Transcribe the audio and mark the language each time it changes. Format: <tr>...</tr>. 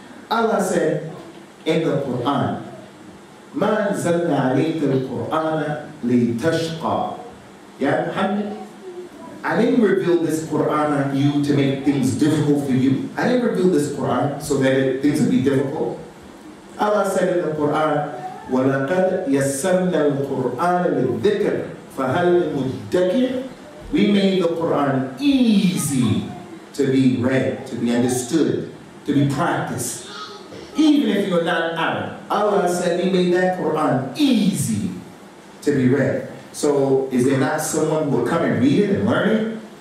<en>Allah said in the Quran,</en> <ar>مَا نَزَلْنَا عَلَيْكَ الْقُرْآنَ لِتَشْقَى.</ar> <en>Ya Muhammad, I didn't reveal this Quran on you to make things difficult for you. I didn't reveal this Quran so that things would be difficult. Allah said in the Quran,</en> <ar>وَلَقَدْ يَسَّرْنَا الْقُرْآنَ لِلذِّكْرِ فَهَلْ مُدَّكِرٍ.</ar> <en>We made the Quran easy to be read, to be understood, to be practiced. Even if you're not Arab, Allah said we made that Quran easy to be read. So is there not someone who will come and read it and learn it?</en>